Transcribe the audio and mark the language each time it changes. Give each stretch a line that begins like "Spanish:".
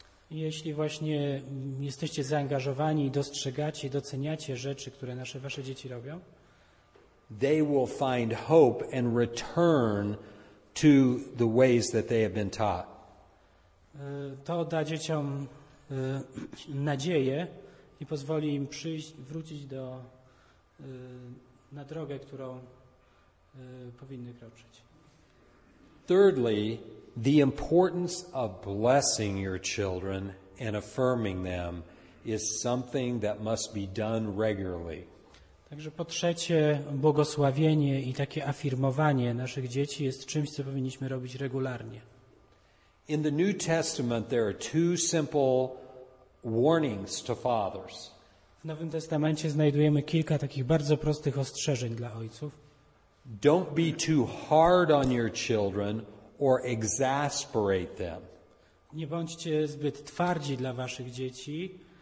Polish: Jeśli właśnie jesteście zaangażowani i dostrzegacie, doceniacie rzeczy, które nasze wasze dzieci robią,
English: they will find hope and return to the ways that they have been taught.
Polish: To da dzieciom nadzieję i pozwoli im przyjść, wrócić do na drogę, którą powinny kroczyć.
English: Thirdly, the importance of blessing your children and affirming them is something that must be done regularly.
Polish: Także po trzecie, błogosławienie i takie afirmowanie naszych dzieci jest czymś, co powinniśmy robić regularnie.
English: In the New Testament there are two simple warnings to fathers.
Polish: W Nowym Testamencie znajdujemy kilka takich bardzo prostych ostrzeżeń dla ojców.
English: Don't be too hard on your children or exasperate them.
Polish: Nie bądźcie zbyt twardzi dla waszych dzieci.